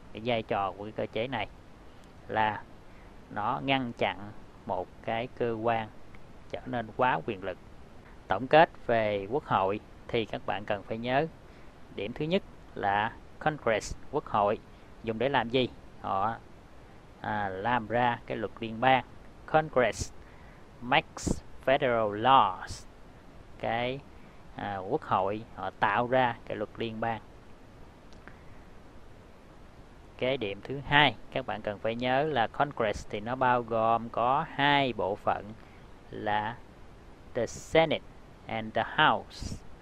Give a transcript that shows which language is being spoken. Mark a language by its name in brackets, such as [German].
[Vietnamese] Cái vai trò của cái cơ chế này là nó ngăn chặn một cái cơ quan trở nên quá quyền lực. Tổng kết về quốc hội thì các bạn cần phải nhớ điểm thứ nhất là Congress, quốc hội dùng để làm gì? Họ làm ra cái luật liên bang. [English] Congress makes federal laws. [Vietnamese] Cái quốc hội họ tạo ra cái luật liên bang. Cái điểm thứ hai các bạn cần phải nhớ là Congress thì nó bao gồm có hai bộ phận là [English] the Senate and the House.